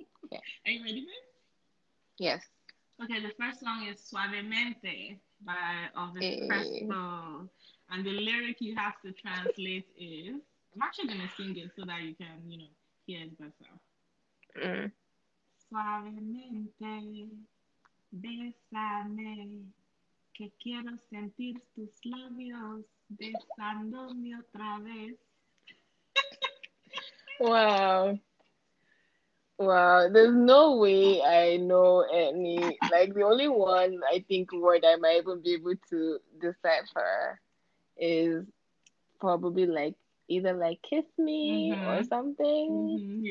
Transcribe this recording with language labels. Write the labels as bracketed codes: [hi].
[en] Yeah. Are you ready, babe? Yes. Okay, the first song is Suavemente by Elvis Presley. And the lyric you have to translate is, I'm actually going to sing it so that you can, you know, hear it better. [es] Suavemente, bésame, que quiero sentir tus labios besándome otra vez. [en] Wow. Wow, there's no way I know any, like the only one I think word I might even be able to decipher is probably like either like kiss me or something.